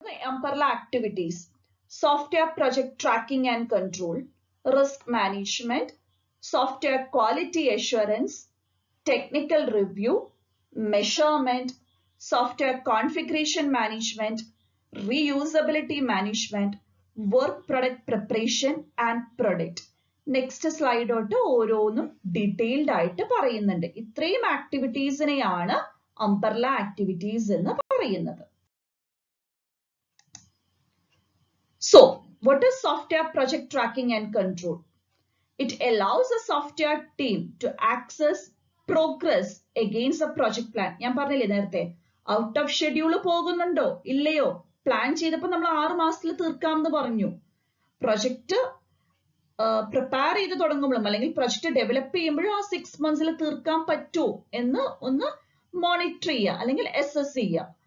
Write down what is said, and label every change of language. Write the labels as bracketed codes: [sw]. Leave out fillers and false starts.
[en] Umbrella activities: software project tracking and control, risk management, software quality assurance, technical review, measurement, software configuration management, reusability management, work product preparation and product. Next slide [ml] ഓട്ട് ഓരോന്നും detailed ആയിട്ട് പറയുന്നുണ്ട്. ഇത്രയും ആക്ടിവിറ്റീസിനെയാണ് umbrella activities എന്ന് പറയുന്നത്. [en] So, what is software project tracking and control? It allows a software team to access progress against a project plan. [ml] ഞാൻ പറഞ്ഞില്ലേ നേരത്തെ, [en] out of schedule [ml] പോകുന്നുണ്ടോ ഇല്ലയോ, പ്ലാൻ ചെയ്തപ്പോ നമ്മൾ ആറ് മാസത്തിൽ തീർക്കാം എന്ന് പറഞ്ഞു. പ്രൊജക്ട് പ്രിപ്പയർ ചെയ്ത് തുടങ്ങുമ്പോഴും അല്ലെങ്കിൽ പ്രൊജക്ട് ഡെവലപ്പ് ചെയ്യുമ്പോഴും ആ സിക്സ് മന്ത്സിൽ തീർക്കാൻ പറ്റുമോ എന്ന് ഒന്ന് മോണിറ്റർ ചെയ്യുക അല്ലെങ്കിൽ അസസ് ചെയ്യുക.